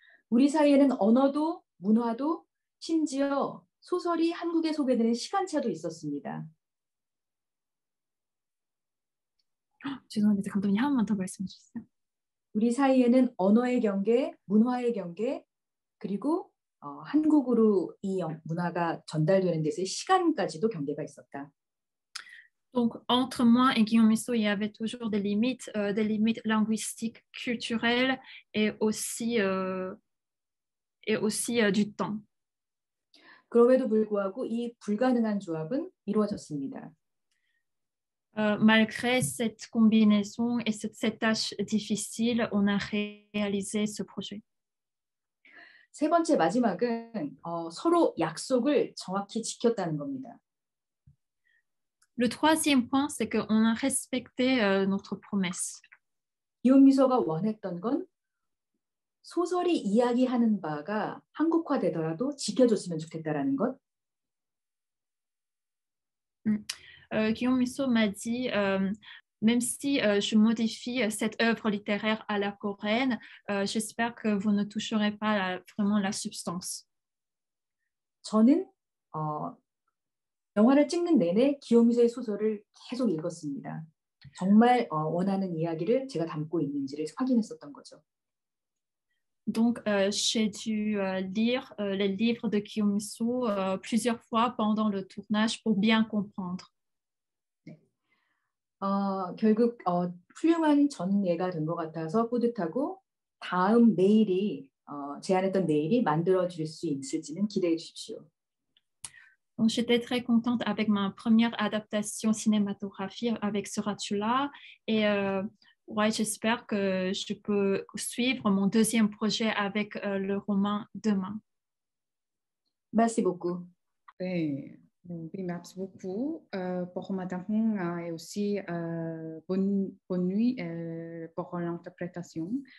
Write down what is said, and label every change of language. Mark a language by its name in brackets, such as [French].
[Korean] 우리 사이에는 언어도 문화도 심지어 소설이 한국에 소개되는 시간차도 있었습니다. 죄송합니다. 감독님 한 번 더 말씀해 주세요. 우리 사이에는 언어의 경계, 문화의 경계, 그리고 한국으로 이 문화가 전달되는 데서의 시간까지도 경계가 있었다. [French] Donc entre moi et Guillaume Musso, il y avait toujours des limites linguistiques, culturelles et aussi du temps. [Korean] 그럼에도 불구하고 이 불가능한 조합은 이루어졌습니다. [French] Malgré cette combinaison et cette tâche difficile, on a réalisé ce projet. [Korean] 세 번째 마지막은 서로 약속을 정확히 지켰다는 겁니다. [French] Le troisième point, c'est qu'on a respecté notre promesse. [Korean] 기욤 미소가 원했던 건 소설이 이야기하는 바가 한국화되더라도 지켜줬으면 좋겠다라는 것. [French] Guillaume Musso m'a dit, même si je modifie cette œuvre littéraire à la coréenne, j'espère que vous ne toucherez pas vraiment la substance. [Korean] 저는 영화를 찍는 내내 기욤 미소의 소설을 계속 읽었습니다. 정말 원하는 이야기를 제가 담고 있는지를 확인했었던 거죠. [French] Donc, j'ai dû lire les livres de Guillaume Musso plusieurs fois pendant le tournage pour bien comprendre. [Korean] 결국 훌륭한 전예가 된 것 같아서 뿌듯하고 다음 내일이 제안했던 내일이 만들어질 수 있을지는 기대해 주십시오. [French] Donc, j'étais très contente avec ma première adaptation cinématographique avec ce Ratula et ouais, j'espère que je peux suivre mon deuxième projet avec le roman demain. Merci beaucoup. Oui, merci beaucoup pour madame et aussi bonne nuit pour l'interprétation.